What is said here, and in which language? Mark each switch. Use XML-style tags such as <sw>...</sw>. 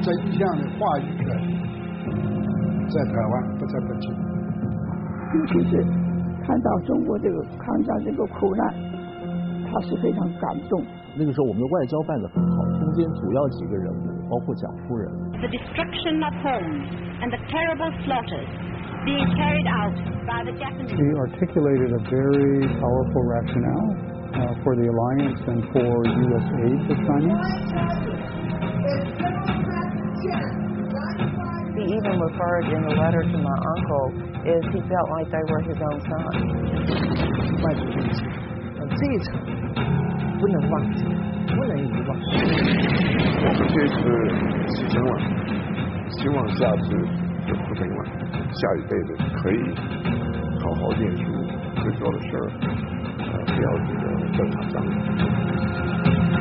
<zh>真相的话语权在台湾，不在北京。尤其是看到中国这个抗战这个苦难，他是非常感动。那个时候我们的外交办得很好，中间主要几个人物包括蒋夫人。</zh> <en>The destruction of homes and the terrible slaughters being carried out by the Japanese. He articulated a very powerful rationale for the alliance and for U.S. aid to China. He even referred in the letter to my uncle as he felt like they were his own son.</en> <zh>这一层不能忘记，不能遗忘。我们这次几千万，希望下次就不千万，下一辈子可以好好念书，会做的事儿，不要这个正常上路。</zh>